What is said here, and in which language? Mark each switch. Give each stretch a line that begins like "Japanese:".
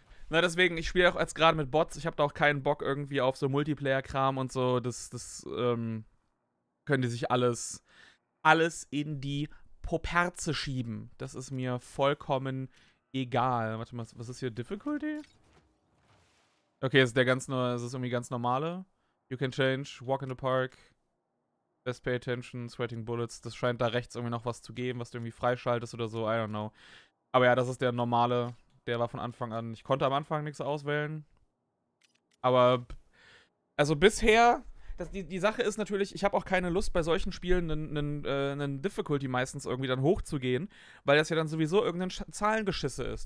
German: Na, deswegen, ich spiele auch jetzt gerade mit Bots. Ich habe da auch keinen Bock irgendwie auf so Multiplayer-Kram und so. Können die sich alles in die Poperze schieben. Das ist mir vollkommen egal. Warte mal, was ist hier Difficulty? Okay, ist der ganz neue, ist es irgendwie ganz normale.
English: You can change, walk in the park, best pay attention, sweating bullets.
German: Das scheint da rechts irgendwie noch was zu geben, was du irgendwie freischaltest oder so,
English: I don't know.
German: Aber ja, das ist der normale, der war von Anfang an. Ich konnte am Anfang nichts auswählen. Aber, also bisher, die Sache ist natürlich, ich habe auch keine Lust, bei solchen Spielen einen Difficulty meistens irgendwie dann hochzugehen, weil das ja dann sowieso irgendein Zahlengeschisse ist.